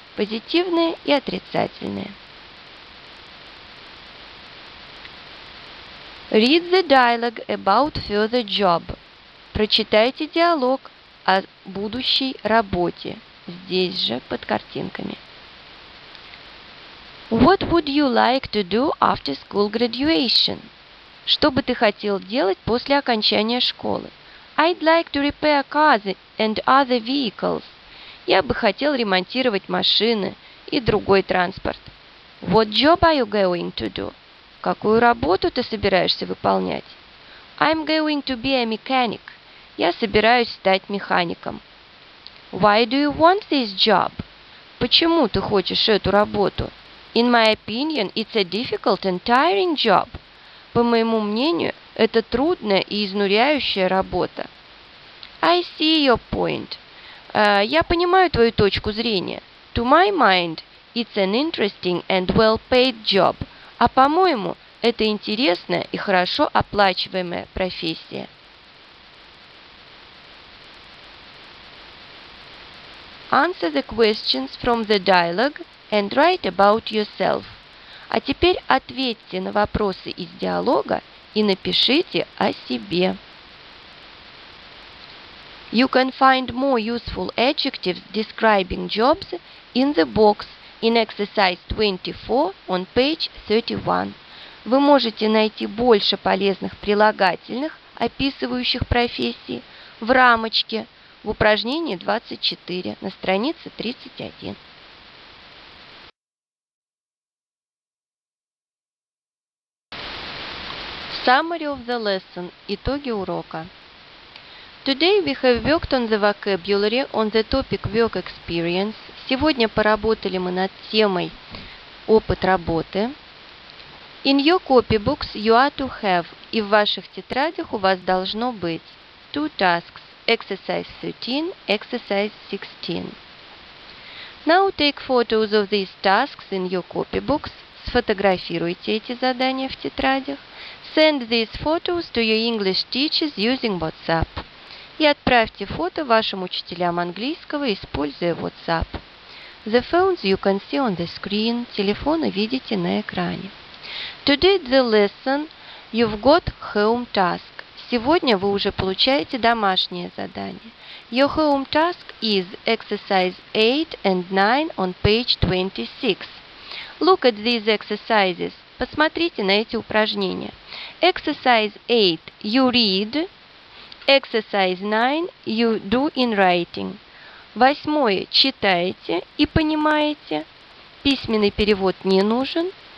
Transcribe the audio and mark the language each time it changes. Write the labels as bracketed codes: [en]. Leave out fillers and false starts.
[ru] позитивное и отрицательное. [en] Read the dialogue about further job. [ru] Прочитайте диалог о будущей работе здесь же под картинками. [en] What would you like to do after school graduation? [ru] Что бы ты хотел делать после окончания школы? [en] I'd like to repair cars and other vehicles. [ru] Я бы хотел ремонтировать машины и другой транспорт. [en] What job are you going to do? [ru] Какую работу ты собираешься выполнять? [en] I'm going to be a mechanic. [ru] Я собираюсь стать механиком. [en] Why do you want this job? [ru] Почему ты хочешь эту работу? [en] In my opinion, it's a difficult and tiring job. [ru] По моему мнению, это трудная и изнуряющая работа. [en] I see your point. [ru] Я понимаю твою точку зрения. [en] To my mind, it's an interesting and well-paid job. [ru] А по-моему, это интересная и хорошо оплачиваемая профессия. [en] Answer the questions from the dialogue and write about yourself. [ru] А теперь ответьте на вопросы из диалога и напишите о себе. [en] You can find more useful adjectives describing jobs in the box in exercise 24 on page 31. [ru] Вы можете найти больше полезных прилагательных, описывающих профессии, в рамочке в упражнении 24 на странице 31. [en] Summary of the lesson. [ru] Итоги урока. [en] Today we have worked on the vocabulary on the topic work experience. [ru] Сегодня поработали мы над темой опыт работы. [en] In your copy books you are to have. [ru] И в ваших тетрадях у вас должно быть [en] two tasks. Exercise 13, exercise 16. Now take photos of these tasks in your copy books. [ru] Сфотографируйте эти задания в тетрадях. [en] Send these photos to your English teachers using WhatsApp. [ru] И отправьте фото вашим учителям английского, используя WhatsApp. [en] The phones you can see on the screen. [ru] Телефоны видите на экране. [en] Today the lesson you've got home task. [ru] Сегодня вы уже получаете домашнее задание. [en] Your home task is exercise 8 and 9 on page 26. Look at these exercises. [ru] Посмотрите на эти упражнения. [en] Exercise 8 – you read. Exercise 9 – you do in writing. [ru] Восьмое – читаете и понимаете. Письменный перевод не нужен.